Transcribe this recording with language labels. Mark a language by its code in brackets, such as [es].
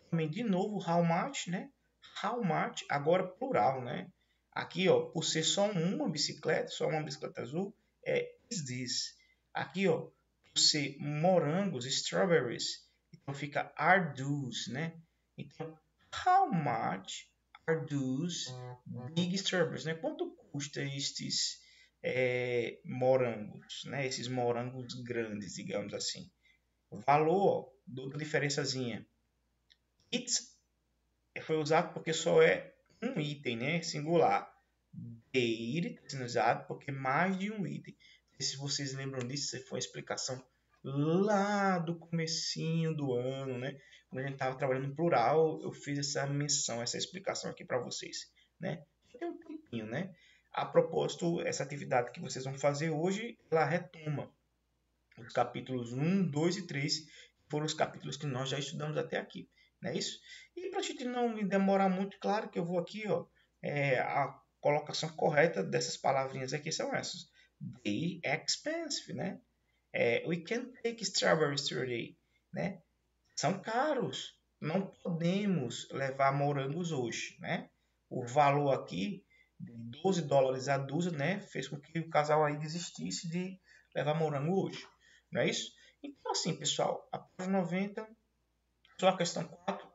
[pt] Também de novo, [en] how much, [pt] né? [en] How much, [pt] agora plural, né? Aqui, ó, por ser só uma bicicleta azul, é [en] is this. [pt] Aqui, ó, por ser morangos, [en] strawberries, [pt] então fica [en] are those, [pt] né? [en] Então, how much are those big strawberries, né? [pt] Quanto custa estes morangos, né? Esses morangos grandes, digamos assim. O valor, ó, dou diferençazinha. [en] It's [pt] foi usado porque só é um item, né? Singular. [en] They're [pt] sendo usado porque mais de um item. Se vocês lembram disso, foi a explicação lá do comecinho do ano, né? Quando a gente estava trabalhando em plural, eu fiz essa menção, essa explicação aqui para vocês, né? Tem um tempinho, né? A propósito, essa atividade que vocês vão fazer hoje, ela retoma os capítulos 1, 2 e 3, que foram os capítulos que nós já estudamos até aqui, não é isso? E para a gente não me demorar muito, claro que eu vou aqui, ó, a colocação correta dessas palavrinhas aqui são essas. [en] They expensive, né? We can't take strawberries today, né? [pt] São caros, não podemos levar morangos hoje, né? O valor aqui, de 12 dólares a dúzia, né? Fez com que o casal aí desistisse de levar morango hoje. Não é isso? Então, assim, pessoal, a página 90, só a questão 4.